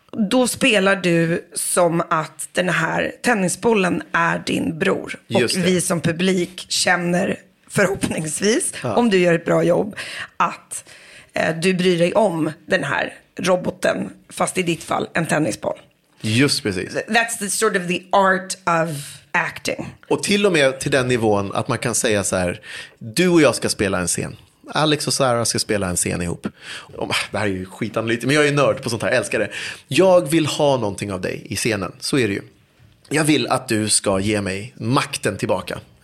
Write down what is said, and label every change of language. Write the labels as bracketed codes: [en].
[sv] Då spelar du som att den här tennisbollen är din bror. Just och det. Vi som publik känner förhoppningsvis, om du gör ett bra jobb, att du bryr dig om den här roboten, fast i ditt fall en tennisboll. Just precis. [en] That's the sort of the art of acting. [sv] Och till och med till den nivån att man kan säga så här, du och jag ska spela en scen. Alex och Sara ska spela en scen ihop. Det här är ju skitanalytiskt, men jag är ju nörd på sånt här, älskar det. Jag vill ha någonting av dig i scenen, så är det ju. Jag vill att du ska ge mig makten tillbaka.